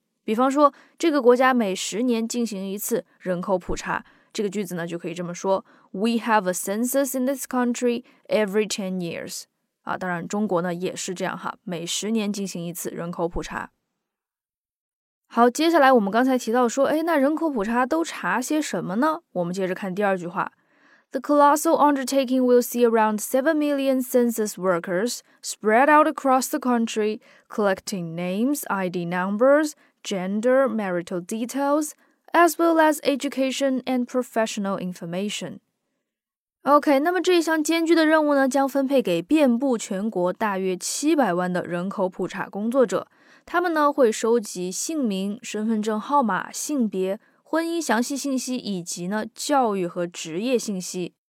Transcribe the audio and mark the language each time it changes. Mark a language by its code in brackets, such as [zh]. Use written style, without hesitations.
[zh] 比方说，这个国家每十年进行一次人口普查，这个句子呢就可以这么说 ： [en] We have a census in this country every 10 years。 [zh] 啊，当然中国呢也是这样哈，每十年进行一次人口普查。好，接下来我们刚才提到说，哎，那人口普查都查些什么呢？我们接着看第二句话。 [en] The colossal undertaking will see around 7 million census workers spread out across the country collecting names, ID numbers, gender, marital details, as well as education and professional information. [zh] OK, 那么这一项艰巨的任务呢将分配给遍布全国大约700万的人口普查工作者。他们呢会收集姓名、身份证号码、性别、婚姻详细信息以及呢教育和职业信息。